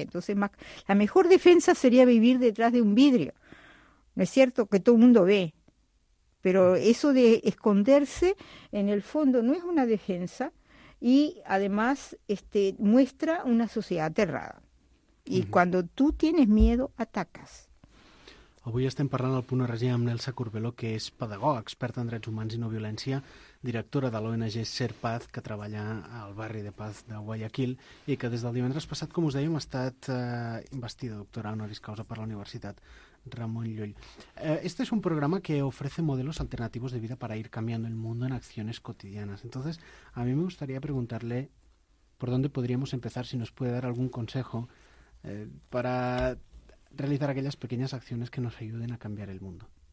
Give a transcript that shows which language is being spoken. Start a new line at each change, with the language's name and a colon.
Spanish: Entonces, la mejor defensa sería vivir detrás de un vidrio. No es cierto que todo el mundo ve. Pero eso de esconderse, en el fondo, no es una defensa. Y además, muestra una sociedad aterrada. Y uh-huh. Cuando tú tienes miedo, atacas.
Catalan: Avui estem parlant al Punt RG amb Elsa Corbeló, que és pedagoga, experta en drets humans i no violència, directora de l'ONG SERPAZ, que treballa al barri de Paz de Guayaquil, i que des del divendres passat, com us dèiem, ha estat investida doctora honoris causa per la Universitat Ramon Llull.
Spanish: Este es un programa que ofrece modelos alternativos de vida para ir cambiando el mundo en acciones cotidianas. Entonces, a mí me gustaría preguntarle por dónde podríamos empezar, si nos puede dar algún consejo para realizar aquellas pequeñas acciones que nos ayuden a cambiar el mundo.